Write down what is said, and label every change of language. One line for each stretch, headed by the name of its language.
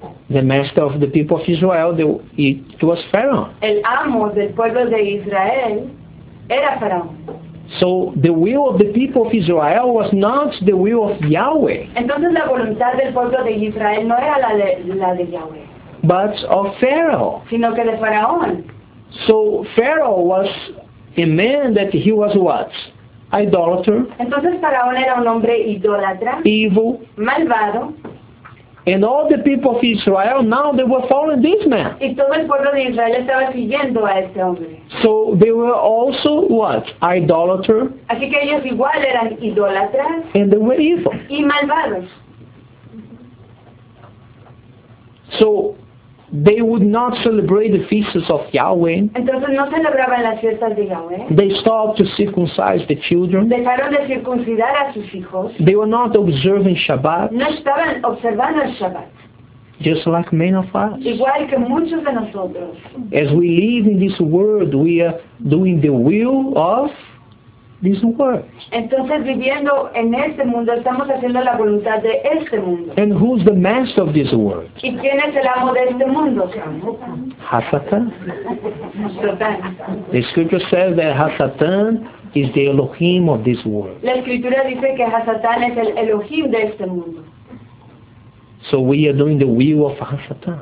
English: The master of the people of Israel, it was Pharaoh.
Spanish: El amo del pueblo de Israel era Faraón.
English: So the will of the people of Israel was not the will of Yahweh.
Spanish: Entonces la voluntad del pueblo de Israel no era la de Yahweh.
English: But of Pharaoh.
Spanish: Sino que de Faraón.
English: So Pharaoh was a man that he was what? Idolater.
Spanish: Entonces Faraón era un hombre idólatra.
English: Evil.
Spanish: Malvado.
English: And all the people of Israel, now they were following this man.
Spanish: Y todo el pueblo de Israel estaba siguiendo a este hombre.
English: So they were also what? Idolater.
Spanish: Así que ellos igual eran idólatras.
English: And they were evil.
Spanish: Y malvados.
English: So they would not celebrate the feasts of Yahweh.
Spanish: Entonces no celebraban las fiestas de Yahweh.
English: They stopped to circumcise the children.
Spanish: Dejaron de circuncidar a sus hijos.
English: They were not observing Shabbat.
Spanish: No estaban observando el Shabbat.
English: Just like many of us.
Spanish: Igual que muchos de nosotros.
English: As we live in this world, we are doing the will of this world.
Spanish: Entonces viviendo en este mundo estamos haciendo la voluntad de este mundo.
English: And who's the master of this world?
Spanish: ¿Y quién es el amo de este mundo?
Hebrew: Hasatan.
Spanish: Satan.
English: The scripture says that Hasatan is the Elohim of this world.
Spanish: La escritura dice que Hasatan es el Elohim de este mundo.
English: So we are doing the will of Hasatan.